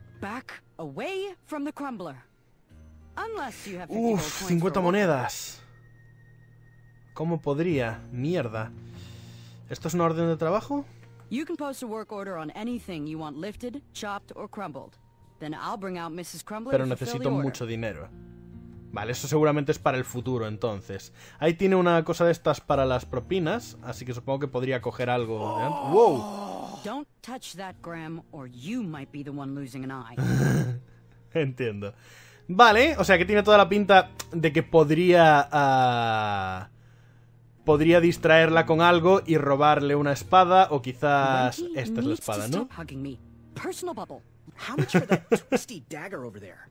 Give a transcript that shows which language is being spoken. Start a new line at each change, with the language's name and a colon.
English: Back away from the crumbler. Unless you have
Spanish: 50 monedas. ¿Cómo podría? Mierda. ¿Esto es una orden de trabajo?
English: You can post a work order on anything you want lifted, chopped or crumbled. Then I'll bring out Mrs. Crumbler.
Spanish: Pero necesito mucho dinero. Vale, eso seguramente es para el futuro, entonces. Ahí tiene una cosa de estas para las propinas, así que supongo que podría coger algo de antes.
English: Wow. Don't touch that, Graham, or you might be the one losing an eye.
Spanish: Entiendo. Vale, o sea, que tiene toda la pinta de que podría distraerla con algo y robarle una espada, o quizás esta es la espada, ¿no?
English: Personal bubble. How much for that twisty dagger over there?